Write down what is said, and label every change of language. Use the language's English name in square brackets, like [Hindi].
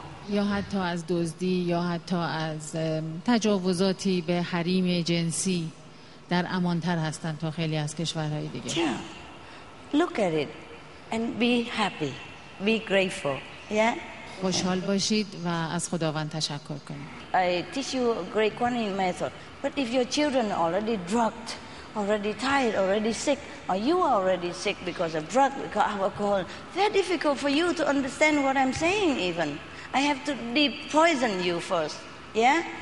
[Persian] یا حتی از دزدی یا حتی از تجاوزاتی به حریم جنسی در امانتر هستن تا خیلی از کشورهای دیگه. [English] Look at it and be happy, be grateful. Yeah. [Persian] خوشحال باشید و از خداوند تشکر کنید. [English] I teach you a great quantum method, but if your children are already drugged, already tired, already sick, or you are already sick because of drug, because of alcohol, very difficult for you to understand what I'm saying. Even I have to de-poison you first. Yeah.